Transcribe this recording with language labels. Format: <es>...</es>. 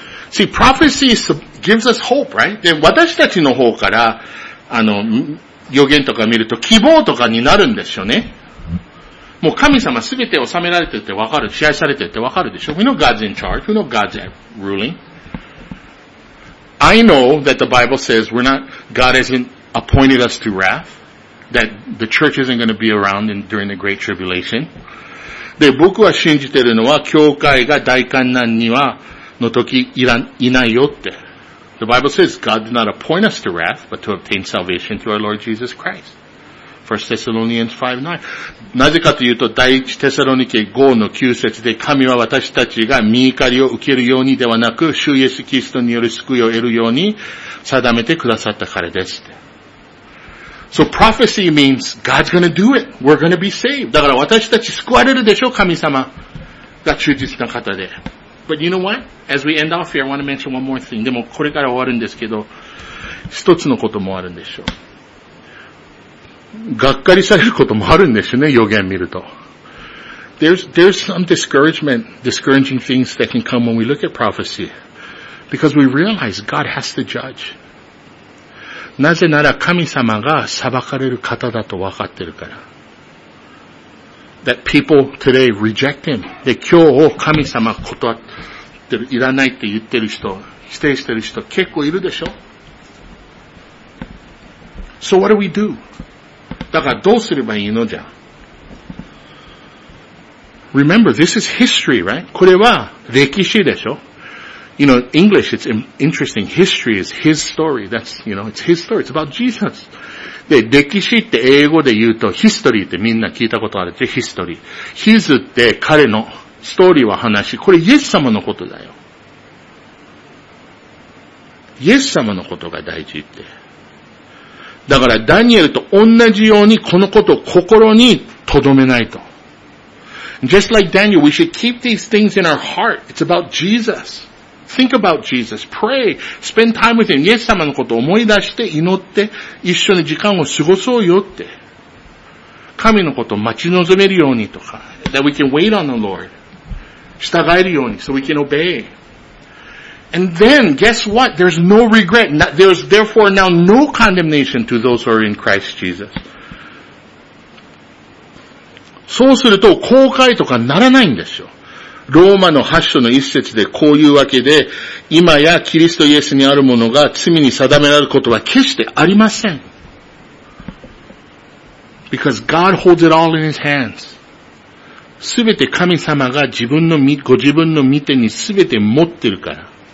<en>See, prophecy gives us hope, right?</en> <ja>で、私たちの方から、予言とか見ると希望とかになるんですよね。もう神様すべて収められてて分かる、支配されてて分かるでしょ。</ja> <en>We know God's in charge. We know God's ruling. I know that the Bible says we're not, God hasn't appointed us to wrath. That the church isn't going to be around in, during the great tribulation.</en> <ja>で、僕は信じてるのは教会が大患難には、の時いないよって。</ja> <en>The Bible says God did not appoint us to wrath, but to obtain salvation through our Lord Jesus Christ. 1 Thessalonians 5:9.</en> <ja>なぜかというと、第一テサロニケ5の9節で、神は私たちが身怒りを受けるようにではなく、主イエスキリストによる救いを得るように定めてくださったからですって。</ja> <en>So prophecy means God's gonna do it. We're gonna be saved.</en> <ja>だから私たち救われるでしょ、神様が忠実な方で。</ja> <en>But you know what? As we end off here, I want to mention one more thing.</en> <ja>でもこれから終わるんですけど、一つのこともあるんでしょう。がっかりされることもあるんですよね、予言見ると。</ja> <en>There's some discouragement, discouraging things that can come when we look at prophecy. Because we realize God has to judge.</en> <ja>なぜなら神様が裁かれる方だと分かってるから。</ja> <en>That people today reject him.</en> <ja>で、今日神様断ってる、いらないって言ってる人、否定してる人結構いるでしょ。</ja> <en>So what do we do?</en> <ja>だからどうすればいいのじゃ。</ja> <en>Remember, this is history, right?</en> <ja>これは歴史でしょ。</ja> <en>You know, English, it's interesting. History is his story. That's, you know, it's his story. It's about Jesus.</en> <ja>で、歴史って英語で言うと、ヒストリーってみんな聞いたことあるって、ヒストリー。ヒズって彼のストーリーは話、これイエス様のことだよ。イエス様のことが大事って。だからダニエルと同じようにこのことを心に留めないと。</ja> <en>Just like Daniel, we should keep these things in our heart. It's about Jesus. Think about Jesus. Pray. Spend time with him.</en> <ja>イエス様のことを思い出して祈って一緒に時間を過ごそうよって。神のことを待ち望めるようにとか。</ja> <en>That we can wait on the Lord.</en> <ja>従えるように。</ja> <en>So we can obey. And then, guess what? There's no regret. There's therefore now no condemnation to those who are in Christ Jesus.</en> <ja>そうすると後悔とかならないんですよ。ローマの8章の1節でこういうわけで、今やキリストイエスにあるものが罪に定められることは決してありません。</ja> <en>Because God holds it all in his hands.</en> <ja>すべて神様が自分のご自分の御手にすべて持ってるから。</ja>